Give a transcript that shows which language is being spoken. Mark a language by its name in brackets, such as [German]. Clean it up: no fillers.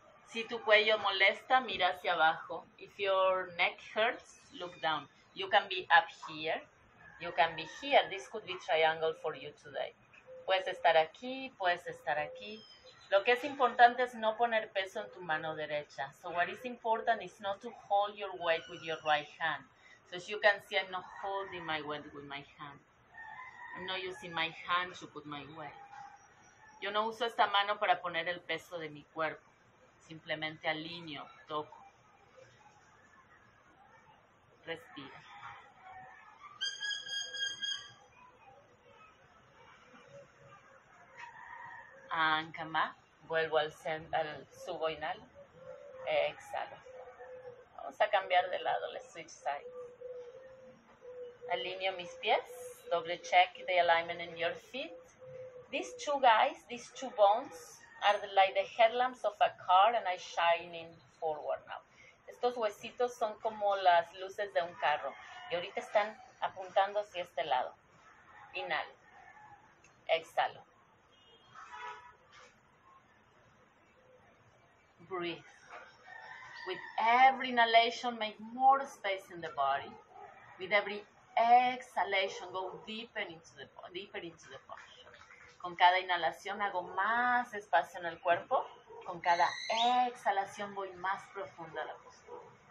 [Spanish] Si tu cuello molesta, mira hacia abajo. [English] If your neck hurts, look down. You can be up here. You can be here. This could be triangle for you today. [Spanish] Puedes estar aquí, puedes estar aquí. Lo que es importante es no poner peso en tu mano derecha. [English] So what is important is not to hold your weight with your right hand. So as you can see, I'm not holding my weight with my hand. I'm not using my hand to put my weight. [Spanish] Yo no uso esta mano para poner el peso de mi cuerpo. Simplemente alineo, toco. Respira. [English] And come up. [Spanish] Vuelvo al centro, al subo, inhalo. Exhalo. Vamos a cambiar de lado, [English] let's switch sides. [Spanish] Alineo mis pies. [English] Double check the alignment in your feet. These two guys, these two bones, are like the headlamps of a car and I shining forward now. [Spanish] Estos huesitos son como las luces de un carro. Y ahorita están apuntando hacia este lado. Inhalo. Exhalo. [English] Breathe. With every inhalation, make more space in the body. With every exhalation, go deeper into the posture. [Spanish] Con cada inhalación hago más espacio en el cuerpo. Con cada exhalación voy más profunda a la postura.